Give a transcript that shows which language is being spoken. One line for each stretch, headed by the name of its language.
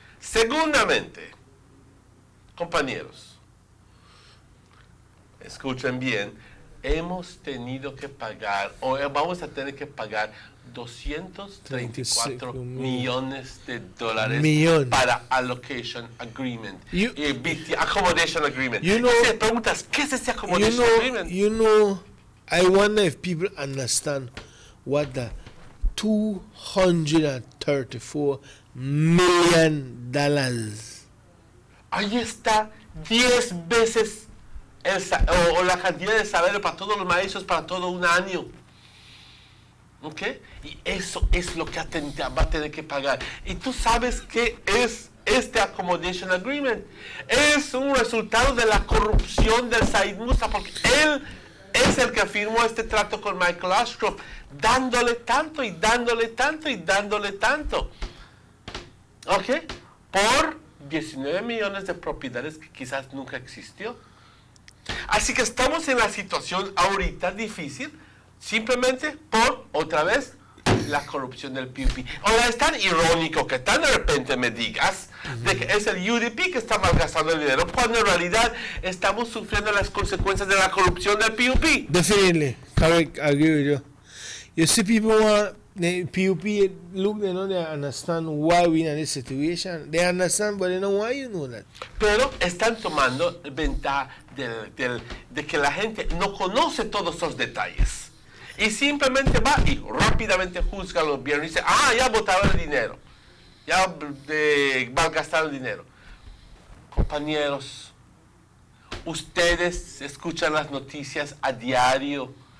Spanish: Segundamente, compañeros, escuchen bien, hemos tenido que pagar, o vamos a tener que pagar 234 millones de dólares para Allocation Agreement, Accommodation Agreement.
English: You know,
Spanish: si preguntas, ¿qué es ese Accommodation Agreement?
English: You know, I wonder if people understand what the $234 million.
Spanish: Ahí está 10 veces o la cantidad de salario para todos los maestros para todo un año. ¿Ok? Y eso es lo que va a tener que pagar. ¿Y tú sabes qué es este Accommodation Agreement? Es un resultado de la corrupción de Said Musa, porque él es el que firmó este trato con Michael Ashcroft, dándole tanto y dándole tanto y dándole tanto. ¿Ok? por 19 millones de propiedades que quizás nunca existió. Así que estamos en la situación ahorita difícil simplemente por, otra vez, la corrupción del PUP. Ahora, es tan irónico que tan de repente me digas de que es el UDP que está malgastando el dinero, cuando en realidad estamos sufriendo las consecuencias de la corrupción del PUP.
English: Definitely. Correct. I agree with you. You see, people want the PUP, look, they know, they understand why we're in this situation. They understand, but they know why, you know that.
Spanish: Pero están tomando ventaja de que la gente no conoce todos esos detalles. Y simplemente va y rápidamente juzga a los bienes y dice, ah, ya botaron el dinero. Ya malgastaron el dinero. Compañeros, ustedes escuchan las noticias a diario.